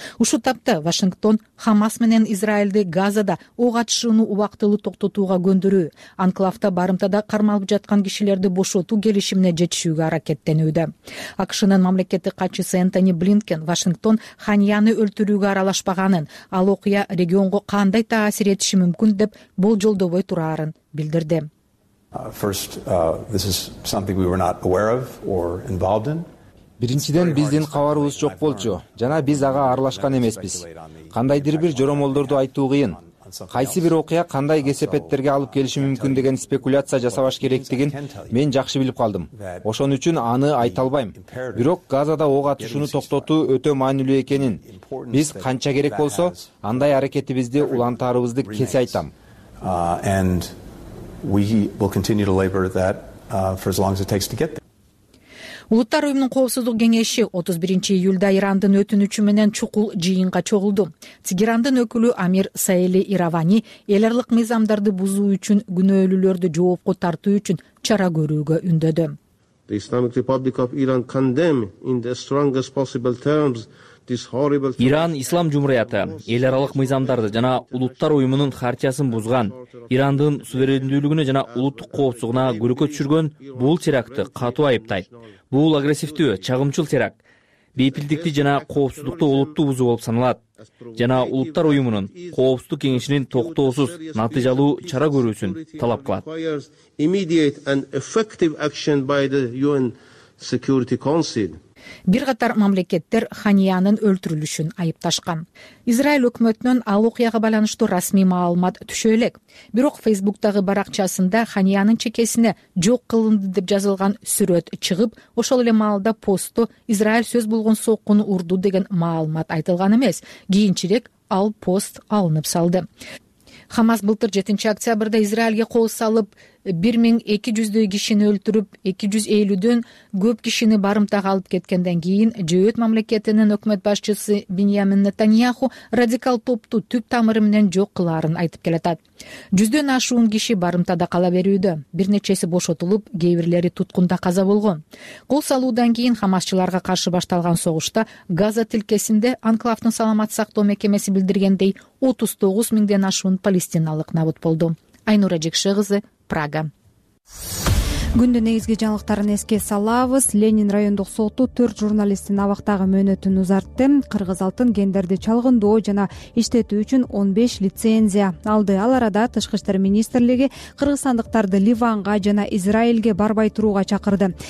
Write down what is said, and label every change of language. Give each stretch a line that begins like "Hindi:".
Kyrgyz: Ушул тапта Вашингтон Хамас менен Израилди Газада ок атышууну убактылуу токтотууга көндүрүү, анклавда барымтада кармалып жаткан кишилерди бошотуу келишимине жетишүүгө аракеттенүүдө. АКШнын мамлекеттик катчысы Энтони Блинкен Вашингтон Ханияны өлтүрүүгө аралашпаганын, ал окуя регионго кандай таасир этиши мүмкүн деп болжолдобой турат билдирди.
English: This is something we were not aware of or involved in.
Kyrgyz: Биринчиден биздин кабарыбыз жок болчу жана биз ага аралашкан эмеспиз. Кандайдыр бир жоромолдорду айтуу кыйын. Кайсы бир окуя кандай кесепеттерге алып келиши мүмкүн деген спекуляция жасабаш керектигин мен жакшы билип калдым. Ошон үчүн аны айта албайм. Бирок Газада ок атышууну токтотуу өтө маанилүү экенин, биз канча керек болсо андай аракетибизди улантаарыбызды кесе айтам.
English: And we will continue to labor that for as long as it takes to get there.
Kyrgyz: Улуттар уюмунун коопсуздук кеңеши 31-июлда Ирандын өтүнүчү менен чукул жыйынга чогулду. Тегерандын өкүлү Амир Саэли Иравани эл аралык мыйзамдарды бузуу үчүн күнөөлүүлөрдү жоопко тартуу үчүн чара көрүүгө үндөдү.
English: The Islamic Republic of Iran condemns in the strongest possible terms this horrible
Kyrgyz: Иран Ислам Жумхурияты эл аралык мыйзамдарды жана улуттар уюмунун хартиясын бузган, Ирандын суверендүүлүгүнө жана улуттук коопсуздугуна көлөкө түшүргөн бул теракты катуу айыптайт. Бул агрессивдүү, чагымчыл теракт. Бейпилдикти жана коопсуздукту олуттуу бузуу болуп саналат жана улуттар уюмунун коопсуздук кеңешинин токтоосуз натыйжалуу чара көрүүсүн талап кылат.
English: Immediate and effective action by the UN Security Council.
Kyrgyz: Бир катар мамлекеттер Ханиянын өлтүрүлүшүн айыпташкан. Израиль өкмөтүнөн ал окуяга байланыштуу расмий маалымат түшө элек. Бирок Facebook-тагы баракчасында Ханиянын чекесине жок кылынды деп жазылган сүрөт чыгып, ошол эле маалда постто Израиль сөз болгон соккуну урду деген маалымат айтылган эмес. Кийинчерээк ал пост алынып салды. Хамас былтыр 7 октябрда Израилге кол салып 1200 кишини өлтүрүп 250 көп кишини барымтага алып кеткенден кийин Жөөт мамлекетинин өкмөт башчысы Биньямин Нетаньяху радикал топту түп тамыры менен жок кылаарын айтып келатат. 100 ашуун киши барымтада кала берүүдө, бир нечеси бошотулуп, кээ бирлери туткунда каза болгон. Кол салуудан кийин хамасчыларга каршы башталган согушта Газа тилкесинде анклавдын саламат сактоо мекемеси билдиргендей 39000 ашуун палестиналык набыт болду. Айнура Жекши кызы Прага. Күндүн негизги жаңылыктарын эске салабыз. Ленин райондук соту 4 журналисттин абактагы мөөнөтүн узартты. Кыргыз алтын кендерди чалгындоо жана иштетүү үчүн 15 лицензия алды. Ал арада тышкы иштер министрлиги кыргызстандыктарды Ливанга жана Израилге барбай турууга чакырды.